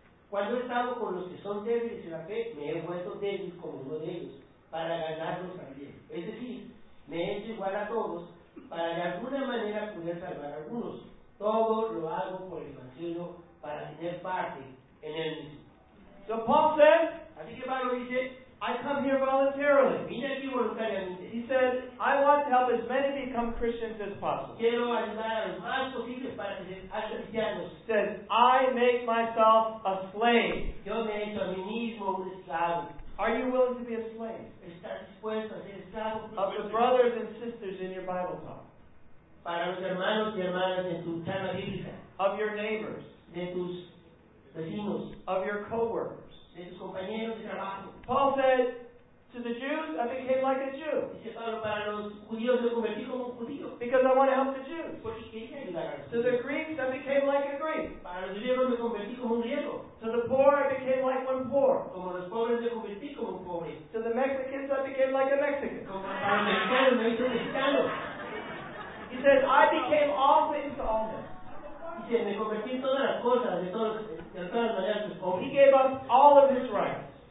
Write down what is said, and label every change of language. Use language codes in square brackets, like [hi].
[es] Cuando he estado con los que son débiles en la fe, me he vuelto débil como uno de ellos, para ganarlos también. Es decir, me he hecho igual a todos, para de alguna manera poder salvar a algunos. Todo lo hago por el Evangelio, para tener parte en él mismo. [en] So Paul said, [es] así que Pablo dice, [en] I come here voluntarily. [es] Vine aquí voluntariamente. [en] He said, I want to help as many become Christians as possible. [es] Quiero ayudar a los más posibles para que sean cristianos. [en] He said, I make myself a slave. [es] Yo me he hecho a mí mismo un esclavo. [en] Are you willing to be a slave? [es] ¿Estás dispuesto a ser esclavo? [en] Of the brothers and sisters in your Bible talk. [es] Para los hermanos y hermanas de tu charla bíblica. [en] Of your neighbors. [es] De tus vecinos. [en] Of your co-workers. [es] De sus compañeros de trabajo. [en] Paul said, to the Jews, I became like a Jew. [es] Dice Pablo, para los judíos me convertí como un judío. [en] Because I want to help the Jews. [es] Porque quería ayudar a los judíos. [en] To the Greeks, I became like a Greek. [es] Para los griegos me convertí como un griego. [en] To the poor, I became like one poor. [es] Como los pobres me convertí como un pobre. [en] To the Mexicans, I became like a Mexican. [es] Como para los mexicanos me hice mexicano. [en] He says, I became all things to all men. [es] Dice, me convertí en todas las cosas, de todos. [en] He gave up all of his rights.